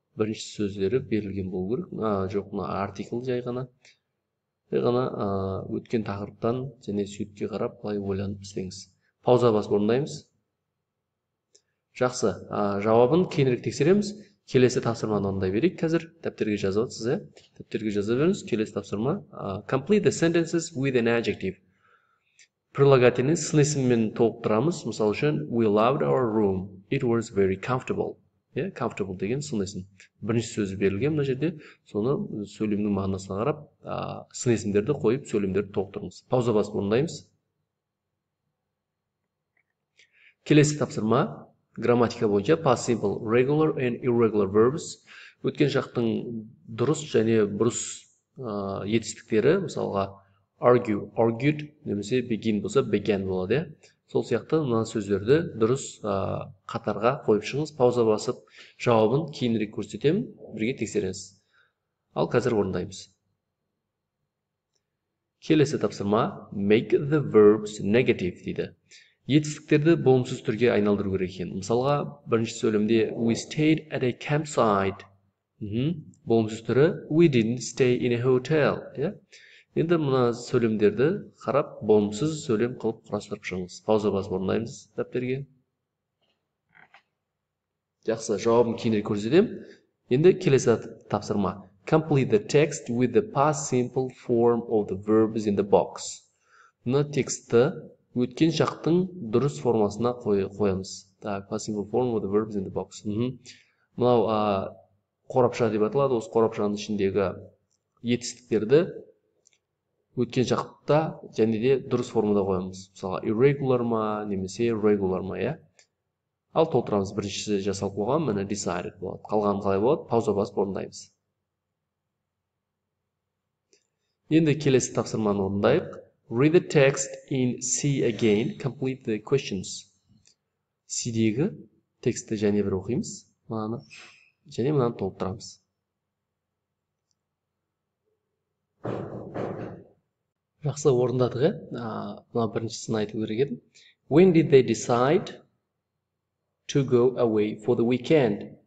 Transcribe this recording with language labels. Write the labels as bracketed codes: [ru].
[kk] Бірінші сөздері берілген болу керек. Жоқ, мына article жай ғана. Тек қана өткен тақырыптан және суретке қарап, былай ойланып істеңіз. Пауза басып орындаймыз. Жақсы, жауабын кейінірек тексереміз. Келесі тапсырманы орындай берейік қазір. Дәптерге жазып отырсыз, иә? Дәптерге жаза беріңіз. Келесі тапсырма. [en] Complete the sentences with an adjective. [kk] Прилагательный с несіммен толықтырамыз. Мысалы үшін, [en] we loved our room. It was very comfortable. [kk] Yeah, comfortable деген сынесім. Бірінші сөзі берілген мына жерде, соны сөйлемнің мағынасына қарап, сынесімдерді қойып, сөйлемдерді толықтырыңыз. Пауза басып орындаймыз. Келесі тапсырма. Грамматика бойынша [en] past simple, regular and irregular verbs. [kk] Өткен шақтың дұрыс және бұрыс етістіктері, мысалға, argue, argued, немесе begin болса, began болады. Сол сияқты мына сөздерді дұрыс қатарға қойып шығыңыз, пауза басып, жауабын кейінірек көрсетемін, бірге тексереміз. Ал қазір орындаймыз. Келесі тапсырма, [en] make the verbs negative дейді. [kk] Етістіктерді болымсыз түрге айналдыру керек екен. Мысалға, бірінші сөйлемде [en] we stayed at a campsite. [kk] Болымсыз түрі [en] we didn't stay in a hotel. [kk] Енді мына сөйлемдерді қарап, болымсыз сөйлем қылып құрастырып шығыңыз. Пауза басып орындаймыз дәптерге. Жақсы, жауабын кейінірек көрсетемін. Енді келесі тапсырма. [en] Complete the text with the past simple form of the verbs in the box. [kk] Мына текстті өткен шақтың дұрыс формасына қоямыз. [en] Так, past simple form of the verbs in the box. [kk] Мынау қорапша деп аталады. Осы қорапшаның ішіндегі етістіктерді өткен шақта және де дұрыс формада қоямыз. Мысалға, irregular ма, немесе regular ма, иә? Ал толтырамыз, біріншісі жасалып қойған, міне decided болады. Қалған қалай болады? Пауза басып орындаймыз. Енді келесі тапсырманы орындайық. Read the text in C again, complete the questions. C-дегі тексті және бір оқимыз. Мынаны және мынаны толтырамыз. Жақсы орындадық, мына біріншісін айту керек едім. [en] When did they decide to go away for the weekend?